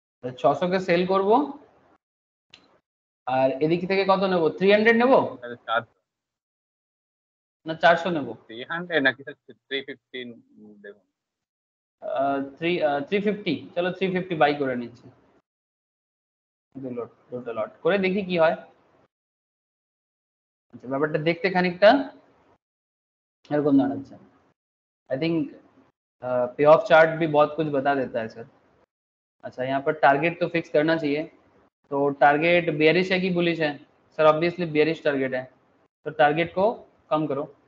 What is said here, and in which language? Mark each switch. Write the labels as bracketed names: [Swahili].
[Hindi] 600 के सेल [Bangla] করব আর এদিক থেকে কত নেব, 300 নেব না 400 নেব, 300 নাকি 315 দেব, 350 চলো 350 বাই করে নিচ্ছি, দুটো লট করে দেখি কি হয়। আচ্ছা ব্যাপারটা দেখতে খানিকটা এরকম দাঁড়াচ্ছে, [English] I think [Hindi] पे ऑफ चार्ट भी बहुत कुछ बता देता है सर। अच्छा यहाँ पर टारगेट तो फिक्स करना चाहिए, तो टारगेट बेयरिश है कि बुलिश है सर, ऑब्वियसली बेयरिश टारगेट है, तो टारगेट को कम करो।